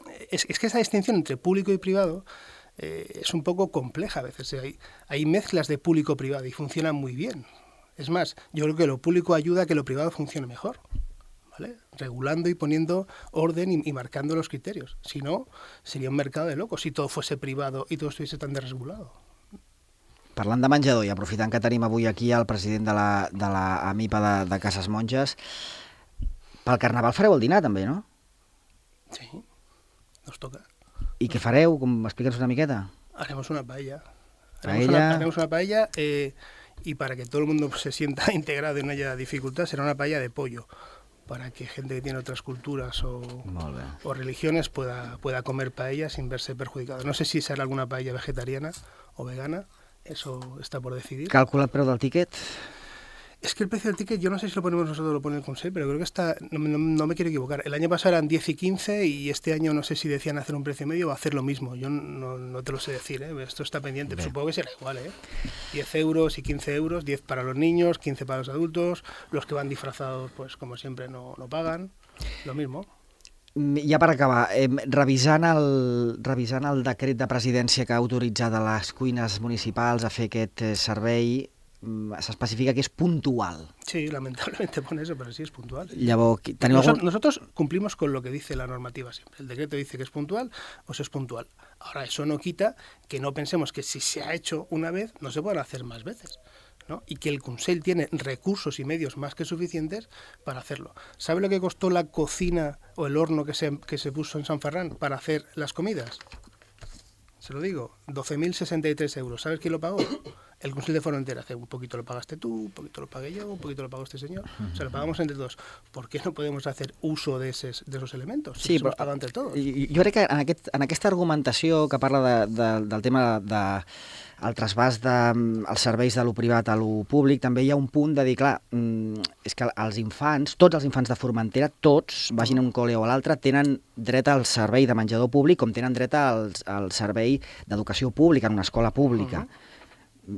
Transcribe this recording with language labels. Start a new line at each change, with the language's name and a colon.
Spanish: Es que esa distinción entre público y privado es un poco compleja a veces. Hay mezclas de público-privado y funcionan muy bien. Es más, yo creo que lo público ayuda a que lo privado funcione mejor, ¿vale? Regulando y poniendo orden y marcando los criterios. Si no, sería un mercado de locos si todo fuese privado y todo estuviese tan desregulado.
Catalan: Parlant de menjador i aprofitant que tenim avui aquí el president de la AMIPA de Cases Monges, pel carnaval fareu el dinar també, no?
Spanish: Sí. Nos toca.
Catalan: I què fareu? Com, explica'ns una miqueta.
Spanish: Haremos una paella. Haremos una paella y para que todo el mundo se sienta integrado y no haya dificultad, será una paella de pollo, para que gente que tiene otras culturas o religiones pueda comer paella sin verse perjudicado. No sé si será alguna paella vegetariana o vegana, eso está por decidir. ¿Calcula el precio del ticket? Es que el precio del ticket, yo no sé si lo ponemos nosotros o lo pone el Consell, pero creo que está, no me quiero equivocar. El año pasado eran 10 y 15 y este año no sé si decían hacer un precio medio o hacer lo mismo. Yo no te lo sé decir, ¿eh? Esto está pendiente. Bien. Supongo que será igual, ¿eh? 10 euros y 15 euros, 10 para los niños, 15 para los adultos. Los que van disfrazados, pues como siempre, no pagan. Lo mismo.
Catalan: Ja per acabar, revisant el decret de presidència que ha autoritzat a les cuines municipals a fer aquest servei, s'especifica que és puntual.
Spanish: Sí, lamentablemente pone eso, pero sí es puntual.
Catalan: Llavors,
Spanish: nosotros cumplimos con lo que dice la normativa siempre. El decreto dice que es puntual, pues es puntual. Ahora, eso no quita que no pensemos que si se ha hecho una vez, no se puedan hacer más veces, ¿no? Y que el Consell tiene recursos y medios más que suficientes para hacerlo. ¿Sabe lo que costó la cocina o el horno que se puso en San Ferran para hacer las comidas? Se lo digo, 12.063 euros. ¿Sabes quién lo pagó? El Consell de Formentera hace un poquito lo pagaste tú, un poquito lo pagué yo, un poquito lo pagó este señor. O sea, lo pagamos entre todos. ¿Por qué no podemos hacer uso de esos elementos? Si sí, los pagamos entre todos.
Catalan: Jo crec que en aquesta argumentació que parla del tema del trasbàs dels serveis de lo privat a lo públic, també hi ha un punt de dir, clar, és que els infants, tots els infants de Formentera, tots, vagin a un col·le o a l'altre, tenen dret al servei de menjador públic com tenen dret al servei d'educació pública en una escola pública. Uh-huh.